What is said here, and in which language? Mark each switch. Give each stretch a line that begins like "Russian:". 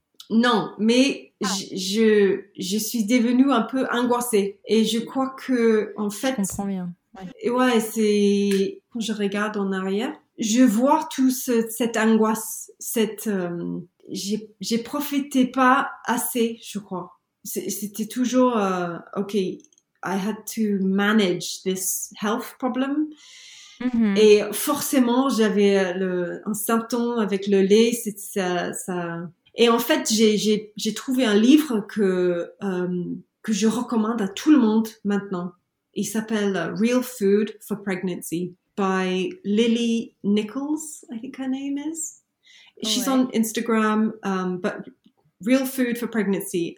French: Non, mais je suis devenue un peu angoissée. Et je crois que, en fait... Je comprends bien. Ouais. Ouais, c'est... Quand je regarde en arrière... Je vois tout cette angoisse, j'ai profité pas assez, je crois. C'était toujours,
English: I had to manage this health problem. Mm-hmm.
French: Et forcément, j'avais un symptôme avec le lait, ça. Et en fait, j'ai trouvé un livre que je recommande à tout le monde maintenant. Il s'appelle Real Food for Pregnancy.
English: By Lily Nichols, I think her name is. She's on Instagram, but Real Food for Pregnancy.